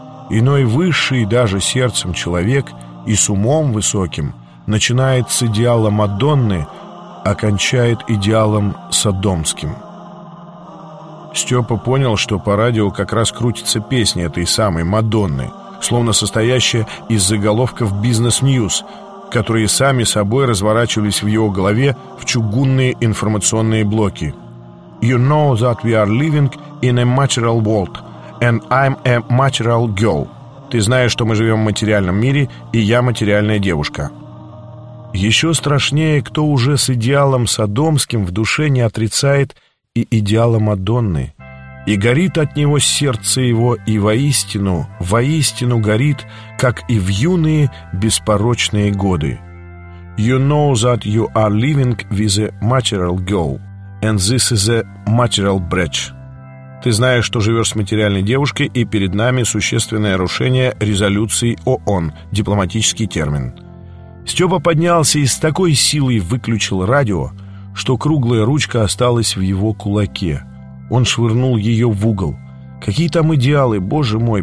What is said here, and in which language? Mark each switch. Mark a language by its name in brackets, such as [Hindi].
[Russian] Иной высший даже сердцем человек и с умом высоким начинает с идеала Мадонны, окончает идеалом содомским. Степа понял, что по радио как раз крутится песня этой самой Мадонны, словно состоящая из заголовков «Бизнес-ньюз», которые сами собой разворачивались в его голове в чугунные информационные блоки. [English] «You know that we are living in a material world, and I'm a material girl». [Russian] «Ты знаешь, что мы живем в материальном мире, и я материальная девушка». Еще страшнее, кто уже с идеалом содомским в душе не отрицает и идеала Мадонны. И горит от него сердце его, и воистину, воистину горит, как и в юные беспорочные годы. [English] «You know that you are living with a material girl, and this is a material breach». [Russian] «Ты знаешь, что живешь с материальной девушкой, и перед нами существенное нарушение резолюции ООН», дипломатический термин. Степа поднялся и с такой силой выключил радио, что круглая ручка осталась в его кулаке. Он швырнул ее в угол. «Какие там идеалы, боже мой!»